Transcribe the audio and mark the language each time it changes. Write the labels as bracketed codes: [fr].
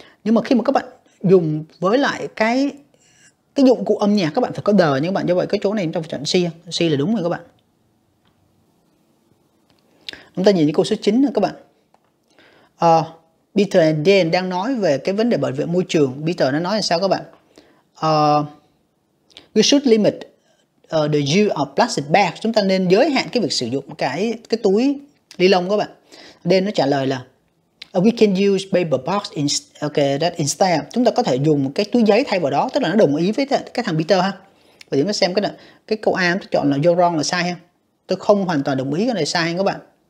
[vi] Nhưng mà khi mà các bạn dùng với lại cái dụng cụ âm nhạc các bạn phải có the nha các bạn. Như vậy cái chỗ này trong trận C, C là đúng rồi các bạn. Chúng ta nhìn cái câu số 9 các bạn. Peter and Dan đang nói về cái vấn đề bảo vệ môi trường. Peter nó nói là sao các bạn? [en] We should limit the use of plastic bags. [vi] Chúng ta nên giới hạn cái việc sử dụng cái túi ni lông các bạn. Dan nó trả lời là [en] we can use paper box instead. [vi] Chúng ta có thể dùng cái túi giấy thay vào đó. Tức là nó đồng ý với cái thằng Peter ha. Và chúng ta xem cái câu A tôi chọn là [en] you're wrong [vi] là sai ha. Tôi không hoàn toàn đồng ý cái này sai các bạn.